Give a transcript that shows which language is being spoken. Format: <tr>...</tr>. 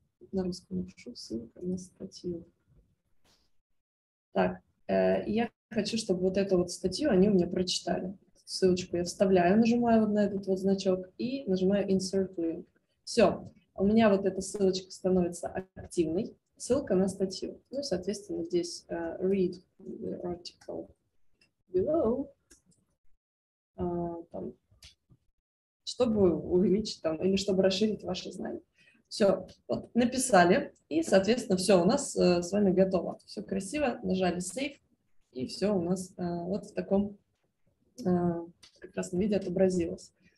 <ru>На русском напишу ссылку на статью. Так, я хочу, чтобы вот эту вот статью они у меня прочитали. Ссылочку я вставляю, нажимаю вот на этот вот значок и нажимаю Insert Link. Все, у меня вот эта ссылочка становится активной. Ссылка на статью. Ну, соответственно, здесь</ru> <en>Read the article below.</en> <ru>Там, чтобы увеличить там или чтобы расширить ваши знания. Все, вот, написали, и, соответственно, все у нас с вами готово. Все красиво, нажали Save, и все у нас вот в таком как раз на виде отобразилось.</ru>